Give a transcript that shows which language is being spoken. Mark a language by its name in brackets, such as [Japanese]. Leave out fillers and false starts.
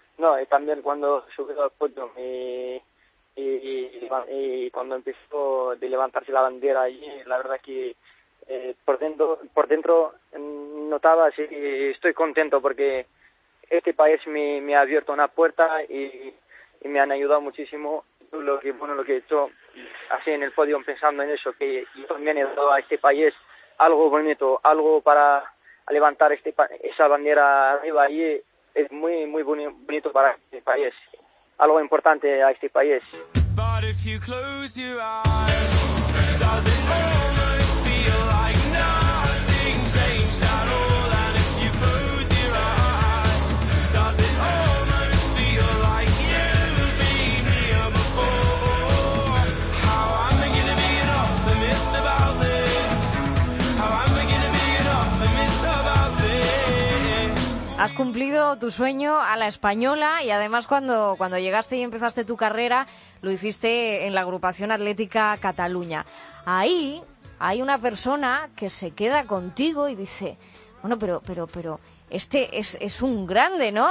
[Spanish] No, y también cuando subí al podium y cuando empezó de levantarse la bandera allí, la verdad que por dentro notaba, sí, estoy contento porque este país me ha abierto una puerta y me han ayudado muchísimo. Lo que he hecho así en el podio pensando en eso, que yo también he dado a este país algo bonito, algo para levantar esa bandera arriba, y es muy muy bonito para este país, algo importante a este país. [English] But if you close your eyes, does it almost feel like nothing changed at all? And if you close your eyes, does it almost feel like you've been here before? How I'm beginning to be an optimist about this. How I'm beginning to be an optimist about this. [Spanish] Has cumplido tu sueño a la española, y además cuando llegaste y empezaste tu carrera, lo hiciste en la agrupación Atlética Cataluña. Ahí hay una persona que se queda contigo y dice, bueno, pero este es un grande, ¿no?